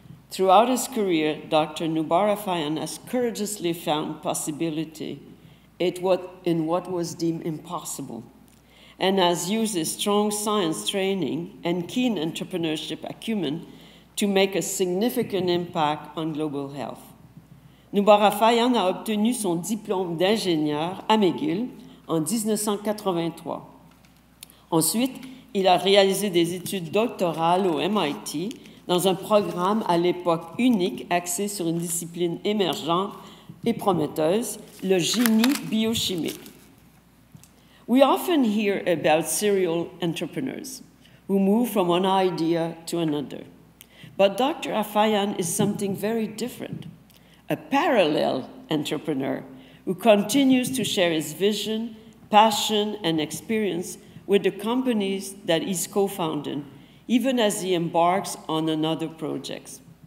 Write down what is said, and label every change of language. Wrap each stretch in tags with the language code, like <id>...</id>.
<en>Throughout his career, Dr. Nubar Afayan has courageously found possibility in what was deemed impossible. and has used his strong science training and keen entrepreneurship acumen to make a significant impact on global health.</en> <fr>Noubara Fayan a obtenu son diplôme d'ingénieur à McGill en 1983. Ensuite, il a réalisé des études doctorales au MIT dans un programme à l'époque unique axé sur une discipline émergente et prometteuse, le génie biochimique.</fr> <en>We often hear about serial entrepreneurs who move from one idea to another. But Dr. Afayan is something very different, a parallel entrepreneur who continues to share his vision, passion, and experience with the companies that he's co-founded, even as he embarks on another project.</en>